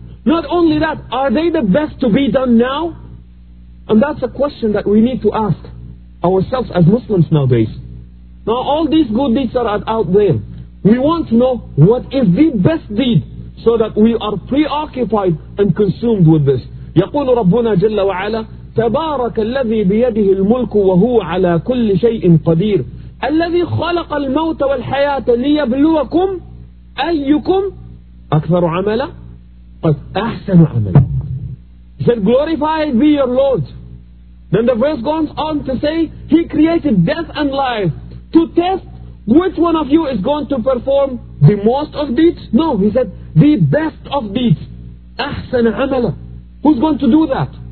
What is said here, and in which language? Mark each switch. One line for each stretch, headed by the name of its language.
English: Not only that, are they the best to be done now? And that's a question that we need to ask ourselves as Muslims nowadays. Now all these good deeds are out there. We want to know what is the best deed so that we are preoccupied and consumed with this.
Arabic: يقول ربنا جل وعلا تبارك الذي بيده الملك وهو على كل شيء قدير الذي خلق الموت والحياة ليبلوكم أيكم أكثر عملا قد أحسن عملا.
English: He said, glorified be your Lord. Then the verse goes on to say, he created death and life to test which one of you is going to perform the most of deeds. No, he said, the best of deeds.
Arabic: أحسن عملا.
English: Who's going to do that?